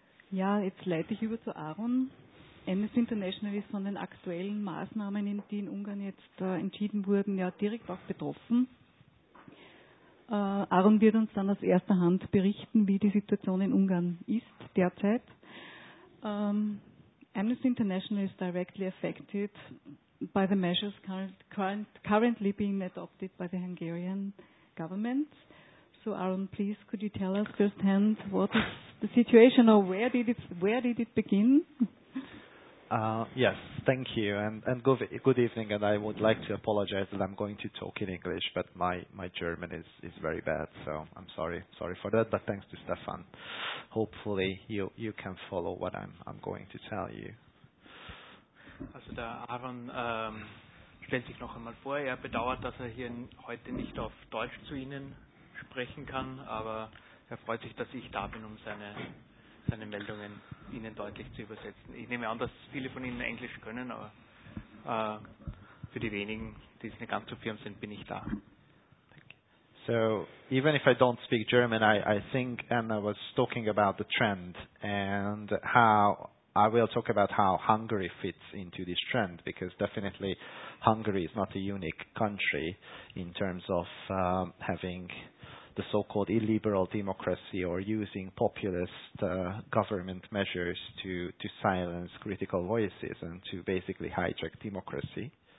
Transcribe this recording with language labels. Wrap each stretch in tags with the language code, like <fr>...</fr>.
<de>Ja, jetzt leite ich über zu Aaron. Amnesty International ist von den aktuellen Maßnahmen, die in Ungarn jetzt entschieden wurden, ja direkt auch betroffen. Aaron wird uns dann aus erster Hand berichten, wie die Situation in Ungarn ist derzeit.</de> <en>Amnesty International is directly affected by the measures currently being adopted by the Hungarian government. So Aaron, please, could you tell us firsthand what is the situation, or where did it begin? Yes, thank you, and good evening. And I would like to apologize that I'm going to talk in English, but my German is very bad, so I'm sorry for that. But thanks to Stefan, hopefully you can follow what I'm going to tell you.</en> <de>Also der Aaron stellt sich noch einmal vor. Er bedauert, dass er hier heute nicht auf Deutsch zu Ihnen sprechen kann, aber er freut sich, dass ich da bin, um seine Meldungen Ihnen deutlich zu übersetzen. Ich nehme an, dass viele von Ihnen Englisch können, aber für die wenigen, die es nicht ganz so firm sind, bin ich da.</de> <en>So, even if I don't speak German, I think Anna was talking about the trend and how I will talk about how Hungary fits into this trend, because definitely Hungary is not a unique country in terms of having the so-called illiberal democracy or using populist government measures to silence critical voices and to basically hijack democracy.</en>